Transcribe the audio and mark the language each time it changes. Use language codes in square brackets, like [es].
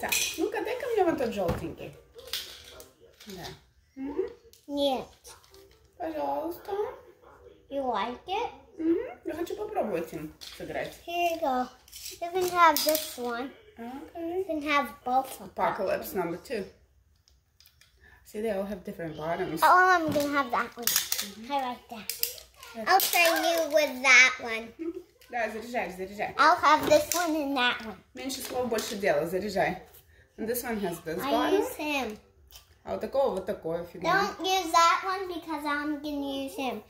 [ru] Так, ну-ка, дай-ка мне вот тот желтенький. Да. Нет. Пожалуйста. [en] You like it? Mm-hmm. [ru] Я хочу попробовать им сыграть. [en] Here you go. You can have this one. Okay. You can have both of them. Apocalypse number two. See, they all have different bottoms. Oh, I'm gonna have that one. Mm-hmm. I like that. Yes. I'll try you with that one. [ru] Да, заряжай. [en] I'll have this one and that one. [ru] Меньше слов, больше дела. Заряжай. [en] And this one has this I bottom. I use him. [ru] А вот такого вот такое фигня. [en] Don't use that one, because I'm going to use him.